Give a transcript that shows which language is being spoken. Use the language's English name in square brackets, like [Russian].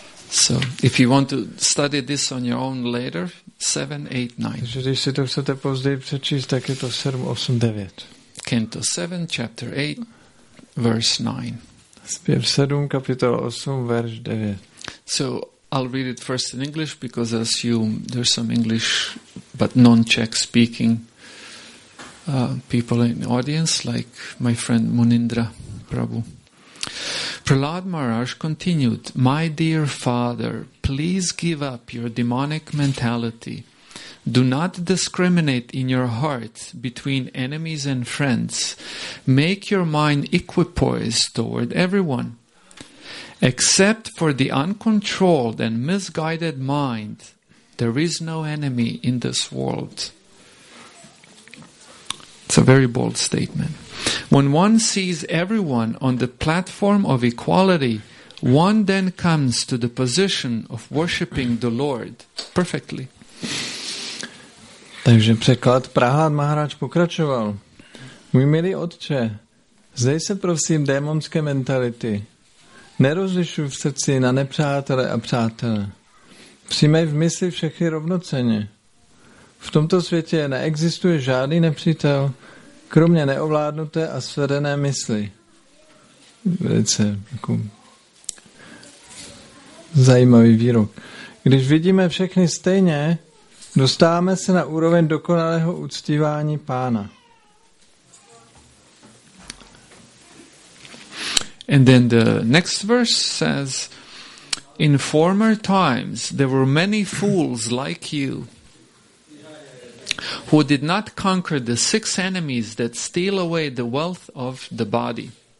[English] So, if you want to study this on your own later, 7, 8, 9. [Czech] Takže když si to chcete později přečíst, tak je to 7, 8, 9. [English] Canto 7, chapter 8, verse 9. [Czech] Zpěv 7, kapitola 8, verš 9. [English] So, I'll read it first in English, because I assume there's some English, but non-Czech speaking people in the audience, like my friend Munindra Prabhu. Prahlad Maharaj continued, "My dear father, please give up your demonic mentality. Do not discriminate in your heart between enemies and friends. Make your mind equipoised toward everyone. Except for the uncontrolled and misguided mind, there is no enemy in this world. It's a very bold statement. When one sees everyone on the platform of equality, one then comes to the position of worshiping the Lord perfectly. [Czech] Takže překlad Prahlád Maharaj pokračoval. Můj milý otče, zdej se prosím démonské mentality. Nerozlišuj v srdci na nepřátele a přátele. Přijmej v mysli všechny rovnoceně. V tomto světě neexistuje žádný nepřítel, kromě neovládnuté a svedené mysli. Velice jako zajímavý výrok. Když vidíme všechny stejně, dostáváme se na úroveň dokonalého uctívání pána. [English] And then the next verse says, in former times there were many fools like you who did not conquer the six enemies that steal away the wealth of the body.